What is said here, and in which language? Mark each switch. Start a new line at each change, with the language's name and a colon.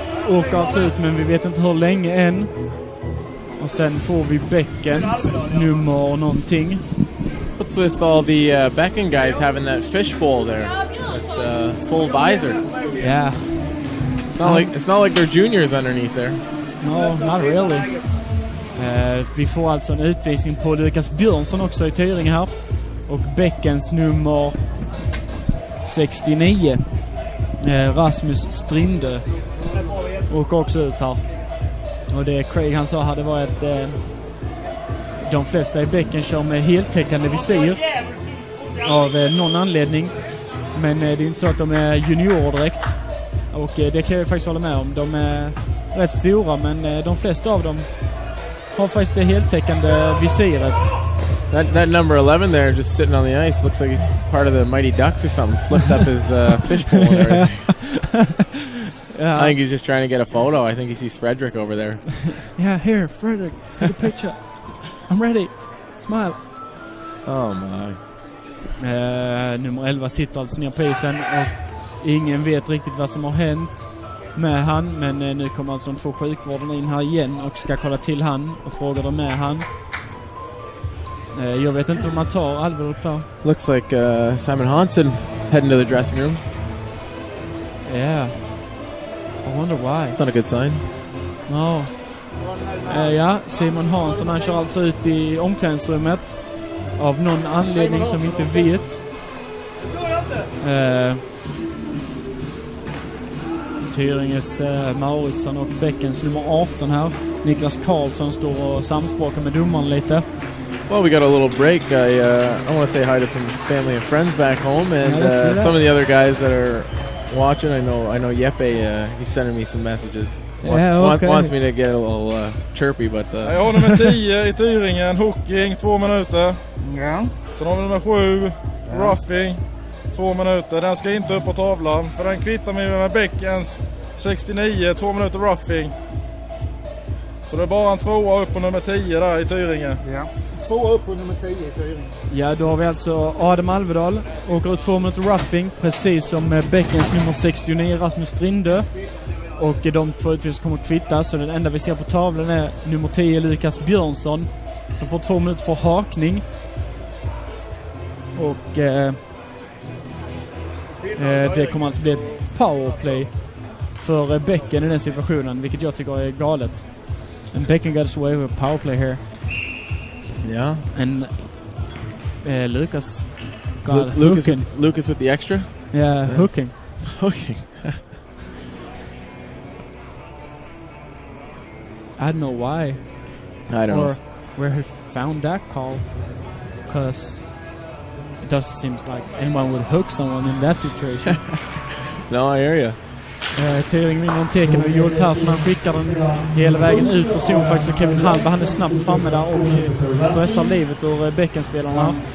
Swedish: Åker alltså ut, men vi vet inte hur länge än. Och sen får vi Bäckens nummer och någonting.
English: What's with all the Bäcken guys having that fishbowl there? Full visor. Yeah. It's not like they're juniors underneath there. No, not really.
Swedish: Vi får alltså en utvisning på Lukas Björnsson också i tyring här. Och Bäckens nummer 69. Rasmus Strinde. Och också ut här. Och det Craig han sa hade varit de flesta i Bäcken kör med heltäckande visir. Av någon anledning. Men det är inte så att de är junior direkt. Och det kan jag faktiskt hålla med om. De är rätt stora, men de flesta av dem har faktiskt det heltäckande visiret.
English: That number 11 there just sitting on the ice looks like he's part of the Mighty Ducks or something. Flipped up his fish pole. Yeah. I think he's just trying to get a photo. I think he sees Frederick over there. Yeah, here, Frederick, take a picture. I'm ready. Smile. Oh my.
Swedish: Nummer 11 sitter alltså ner på isen och ingen vet riktigt vad som har hänt med han, men nu kommer alltså de två sjukvårdarna in här igen och ska kolla till han och fråga dem med han. Jag vet inte om man tar Alvar på.
English: Looks like Simon Hansen is heading to the dressing room. Yeah. I wonder why. It's not a good sign. No.
Swedish: Ja, Simon Hansen, han kör alltså ut i omklädningsrummet av någon anledning som vi inte vet. Tyringes Mauritsson och Bäckens nummer 18 här. Niklas Karlsson står och samspråkar med domaren lite.
English: Well, we got a little break. I want to say hi to some family and friends back home and some of the other guys that are watching. I know Jeppe, he's sending me some messages. Wants me to get a little chirpy, but
Swedish: jag har nummer 10 i tyringen, hooking 2 minuter. Ja. Sen har vi nummer 7, roughing 2 minuter. Den ska inte upp på tavlan, för den kvittar mig med Bäckens 69, 2 minuter roughing. Så det är bara en 2 upp på nummer 10 där i tyringen. Ja. 2 upp på nummer 10 i tyringen. Ja, då har vi alltså Adam Alvedal och 2 minuter roughing, precis som Bäckens nummer 69 Rasmus Strindö. Och de två utvisningarna kommer att kvittas. Så den enda vi ser på tavlan är nummer 10 Lukas Björnsson. Han får 2 minuter för hakning. Och det kommer alltså bli ett powerplay för Bäcken i den situationen, vilket jag tycker är galet.
English: And Bäcken got his way with powerplay here.
Swedish: Ja.
English: Yeah. And Lukas Lukas with the extra? Yeah, hooking. Hooking. I don't know why. I don't know where he found that call. Because it doesn't seem like anyone would hook someone in that situation. No, I hear you.
Swedish: Tyring ringer tecken och Joel Persson, han skickar den hela vägen ut och såg faktiskt att Kevin Halba, han är snabbt framme där och stressar livet ur bäckenspelarna.